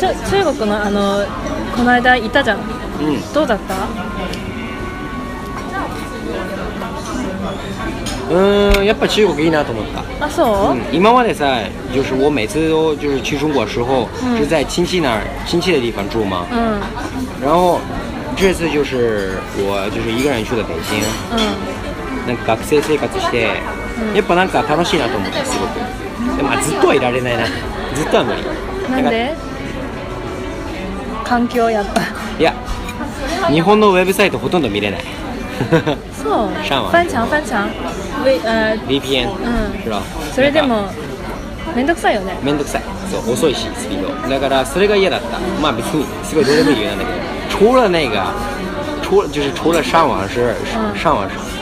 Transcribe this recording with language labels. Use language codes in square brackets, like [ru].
[ja] 中国のこの間いたじゃん、うん、どうだった？やっぱ中国いいなと思った。あ、そう？うん、今までさ、 [zh] 就是我每次都就是去中国时候、うん、是在亲戚那儿亲戚的地方住嘛。嗯。然后这次就是我就是一个人去了北京。嗯。 [ja] なんか学生生活して、うん、やっぱなんか楽しいなと思ったすごく。でもずっとはいられないな。ずっとは無理。なんで？環境やっぱ。いや、日本のウェブサイトほとんど見れない。そう。 [zh] 上網。翻墙翻墙。 [en] VPN。うん。 [ja] 知らん。それでもめんどくさいよね。めんどくさい。そう遅いしスピード。だからそれが嫌だった。まあ別にすごいどうでもいい理由なんだけど。 [zh] 除了那个，除了上网是、嗯、上网是。